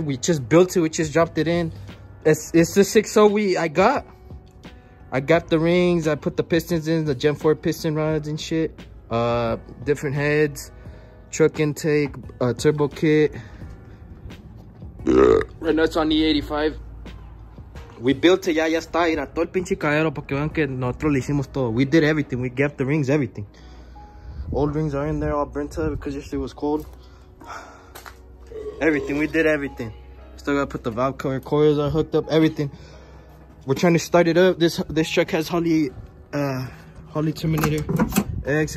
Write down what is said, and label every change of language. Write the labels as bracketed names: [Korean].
[English] We just built it. We just dropped it in. It's the 6.0 I got the rings. I put the pistons in, the Gen 4 piston rods and shit. Different heads, truck intake, turbo kit. Right now it's on E85. We built it. [Spanish] Ya está. Era todo el pinche cadero porque vean que nosotros le hicimos todo. [English] We did everything. We got the rings, everything. Old rings are in there, all burnt up because yesterday was cold. Everything. We did everything. Still gotta put the valve cover, coils are hooked up, everything. We're trying to start it up. This truck has Holley Terminator X.